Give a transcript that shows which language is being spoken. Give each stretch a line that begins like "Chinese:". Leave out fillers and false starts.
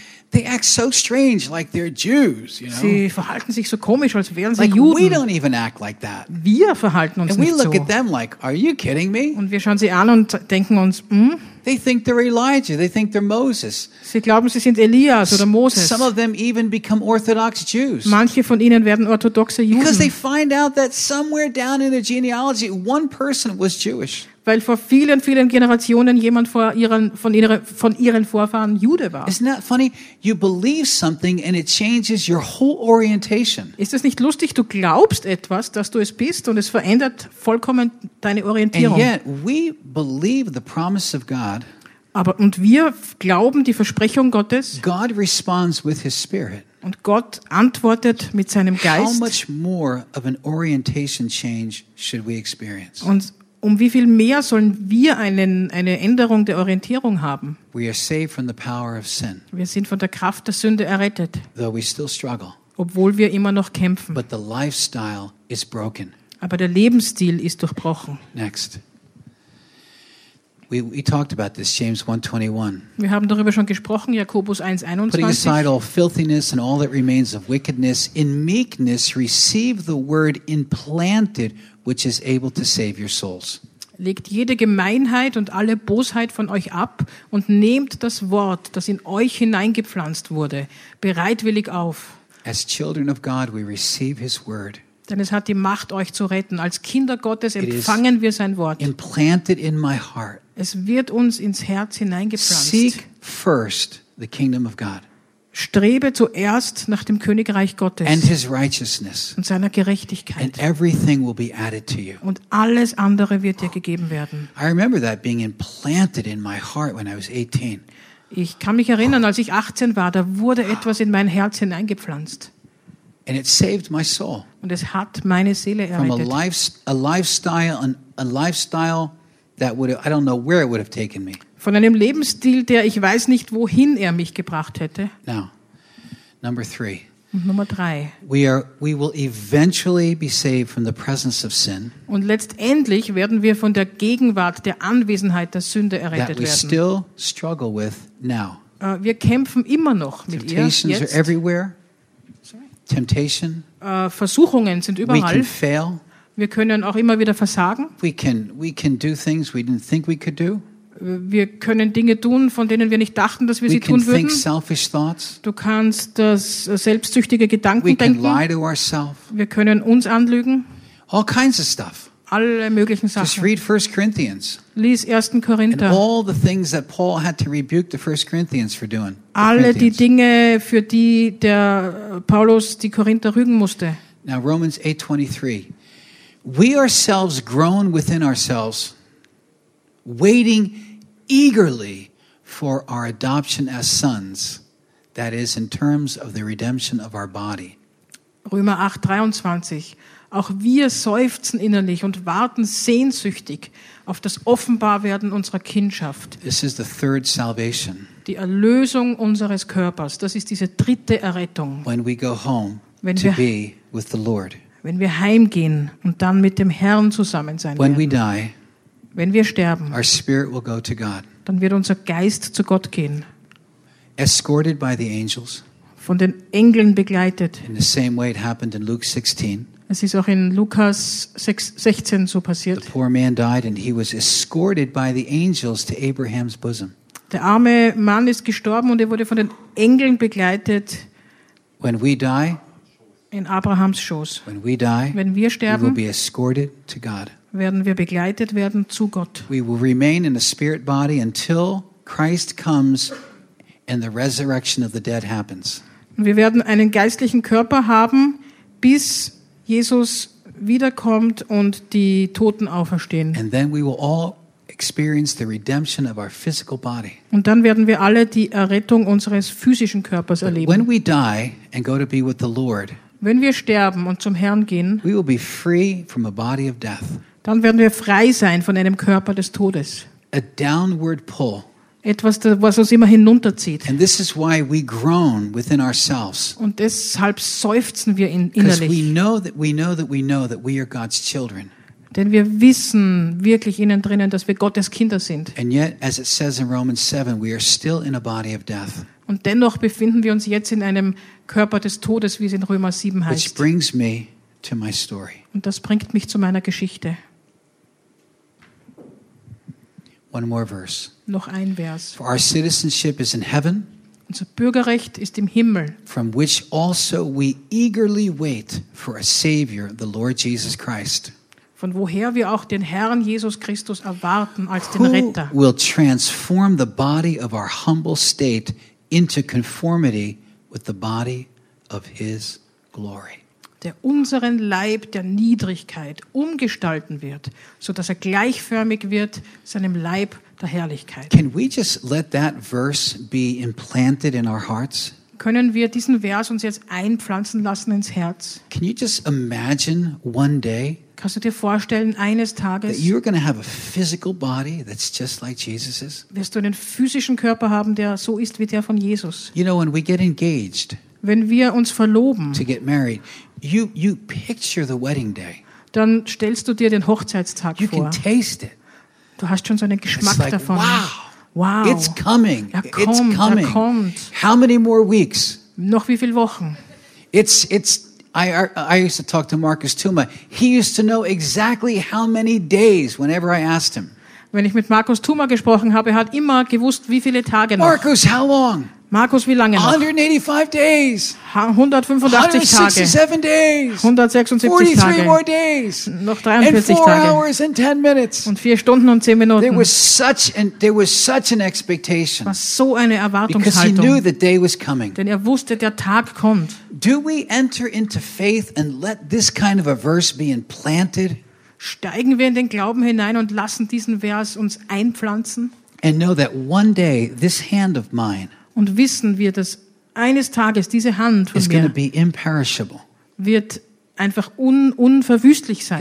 English: They act so strange, like they're Jews, you know?
German: Sie verhalten sich so komisch, als wären sie Juden.
English: We don't even act like that.
German: Wir verhalten uns
English: and
German: nicht
English: we look
German: so.
English: At them like, are you kidding me?
German: Und wir schauen sie an und denken uns,
English: They think they're Elijah. They think they're Moses.
German: Sie glauben, sie sind Elias oder Moses.
English: Some of them even become Orthodox Jews.
German: Manche von ihnen werden orthodoxe Juden.
English: Because they find out that somewhere down in the genealogy, one person was Jewish.
German: Weil vor vielen, vielen Generationen jemand von ihren Vorfahren Jude war.
English: Isn't that funny? You believe something and it changes your whole orientation.
German: Ist es nicht lustig? Du glaubst etwas, dass du es bist, und es verändert vollkommen deine Orientierung.
English: And yet we believe the promise of God.
German: Aber und wir glauben die Versprechung Gottes.
English: God responds with His Spirit.
German: Und Gott antwortet mit seinem Geist.
English: How much more of an orientation change should we experience?
German: Und um wie viel mehr sollen wir eine Änderung der Orientierung haben?
English: We are saved from the power of sin.
German: Wir sind von der Kraft der Sünde errettet.
English: Though we still struggle.
German: Obwohl wir immer noch kämpfen.
English: But the lifestyle is broken.
German: Aber der Lebensstil ist durchbrochen.
English: Next. We talked about this, James 1:21.
German: Wir haben darüber schon gesprochen, Jakobus 1:21.
English: Putting aside all filthiness and all that remains of wickedness, in meekness receive the word implanted, which is able to save your souls.
German: Legt jede Gemeinheit und alle Bosheit von euch ab und nehmt das Wort, das in euch hineingepflanzt wurde, bereitwillig auf.
English: As children of God, we receive His word.
German: Denn es hat die Macht, euch zu retten. Als Kinder Gottes empfangen wir sein Wort.
English: Implanted in my heart.
German: Es wird uns ins Herz hineingepflanzt.
English: Seek first the kingdom of God.
German: Strebe zuerst nach dem Königreich Gottes
English: and his righteousness.
German: Und seiner Gerechtigkeit.
English: And everything will be added to you.
German: Und alles andere wird dir gegeben werden.
English: I remember that being implanted in my heart when I was 18.
German: Ich kann mich erinnern, als ich 18 war, da wurde etwas in mein Herz hineingepflanzt.
English: And it saved my soul.
German: Und es hat meine Seele errettet.
English: From a lifestyle that would have, I don't know where it would have taken me.
German: Von einem Lebensstil, der ich weiß nicht, wohin er mich gebracht hätte.
English: Now, number three.
German: Nummer drei.
English: We will eventually be saved from the presence of sin.
German: Und letztendlich werden wir von der Gegenwart, der Anwesenheit der Sünde errettet werden.
English: That we still struggle with now.
German: Wir kämpfen immer noch mit ihr jetzt.
English: Temptations are everywhere. Temptation.
German: Versuchungen sind überall.
English: We can fail.
German: Wir können auch immer wieder versagen.
English: We can do things we didn't think we could do.
German: Wir können Dinge tun, von denen wir nicht dachten, dass wir sie tun würden. Du kannst das selbstsüchtige Gedanken denken.
English: Lie to ourselves.
German: Wir können uns anlügen.
English: All kinds of stuff.
German: Alle möglichen Sachen.
English: Just read 1 Corinthians.
German: Lies 1. Korinther.
English: And all the things that Paul had to rebuke the 1 Corinthians for doing.
German: Alle die Dinge, für die der Paulus die Korinther rügen musste.
English: Now Romans 8:23. We ourselves groan within ourselves, waiting eagerly for our adoption as sons, that is, in terms of the redemption of our body.
German: Römer 8:23. Auch wir seufzen innerlich und warten sehnsüchtig auf das Offenbarwerden unserer Kindschaft.
English: This is the third salvation.
German: Die Erlösung unseres Körpers, das ist diese dritte Errettung.
English: When we go home to be with the Lord.
German: Wenn wir heimgehen und dann mit dem Herrn zusammen sein
English: when We die,
German: wenn wir sterben,
English: our spirit will go to God.
German: Dann wird unser Geist zu Gott gehen.
English: Escorted by the angels.
German: Von den Engeln begleitet.
English: In the same way it happened in Luke 16.
German: Es ist auch in Lukas 6, 16 so passiert.
English: The poor man died and he was escorted by the angels to Abraham's bosom.
German: Der arme Mann ist gestorben und er wurde von den Engeln begleitet.
English: When we die,
German: in Abrahams Schoß.
English: When we die,
German: wenn wir sterben,
English: we will be escorted to God.
German: Werden wir begleitet werden zu Gott.
English: We will remain in a spirit body until Christ comes and the resurrection of the dead happens.
German: Wir werden einen geistlichen Körper haben, bis Jesus wiederkommt und die Toten auferstehen.
English: And then we will all experience the redemption of our physical body.
German: Und dann werden wir alle die Errettung unseres physischen Körpers erleben.
English: When we die and go to be with the Lord,
German: wenn wir sterben und zum Herrn gehen,
English: we will be free from a body of death.
German: Dann werden wir frei sein von einem Körper des Todes.
English: A downward pull.
German: Etwas, was uns immer hinunterzieht.
English: And this is why we groan within ourselves.
German: Und deshalb seufzen wir innerlich.
English: Because we know that we are God's children.
German: Denn wir wissen wirklich innen drinnen, dass wir Gottes Kinder sind.
English: And yet, as it says in Romans 7, we are still in a body of death.
German: Und dennoch befinden wir uns jetzt in einem Körper des Todes, wie es in Römer 7 heißt.
English: Which brings me to my story.
German: Und das bringt mich zu meiner Geschichte.
English: One more verse.
German: Noch ein Vers.
English: For our citizenship is in heaven.
German: Unser Bürgerrecht ist im Himmel.
English: From which also we eagerly wait for a Savior, the Lord Jesus Christ.
German: Von woher wir auch den Herrn Jesus Christus erwarten als den Retter.
English: Who will transform the body of our humble state into conformity with the body of His glory.
German: Der unseren Leib der Niedrigkeit umgestalten wird, so dass er gleichförmig wird seinem Leib der Herrlichkeit.
English: Can we just let that verse be implanted in our hearts?
German: Können wir diesen Vers uns jetzt einpflanzen lassen ins Herz?
English: Can you just imagine one day?
German: Kannst du dir vorstellen, eines Tages,
English: that you're going to have a physical body that's just like Jesus's?
German: Wirst du einen physischen Körper haben, der so ist wie der von Jesus?
English: You know, when we get engaged,
German: wenn wir uns verloben,
English: to get married, you picture the wedding day.
German: Dann stellst du dir den Hochzeitstag
English: you
German: vor.
English: You can taste it.
German: Du hast schon so einen Geschmack
English: like,
German: davon.
English: Wow. It's coming. It's coming.
German: Er kommt.
English: How many more weeks?
German: Noch wie viele Wochen?
English: I used to talk to Marcus Tuma. He used to know exactly how many days whenever I asked him.
German: Wenn ich mit Markus Tuma gesprochen habe, hat immer gewusst, wie viele Tage noch.
English: Marcus, how long?
German: Markus, wie lange noch?
English: 185 days.
German: 185 Tage.
English: 167 days.
German: 176 Tage.
English: 43 more days.
German: Noch 43 Tage.
English: And 4 hours and 10 minutes.
German: Und 4 Stunden und 10 Minuten.
English: There was such an expectation.
German: War so eine Erwartungshaltung.
English: Because he knew the day was coming.
German: Denn er wusste, der Tag kommt.
English: Do we enter into faith and let this kind of a verse be implanted?
German: Steigen wir in den Glauben hinein und lassen diesen Vers uns einpflanzen?
English: And know that one day this hand of mine.
German: Und wissen wir, dass eines Tages diese Hand von mir wird einfach unverwüstlich sein.